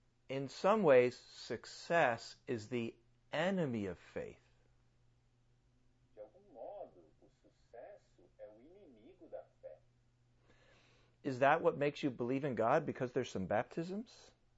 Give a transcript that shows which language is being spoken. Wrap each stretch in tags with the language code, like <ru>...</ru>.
<en>In some ways, success is the enemy of faith.</en> <pt>De algum modo, o sucesso é o inimigo da fé.</pt> <en>Is that what makes you believe in God because there's some baptisms?</en>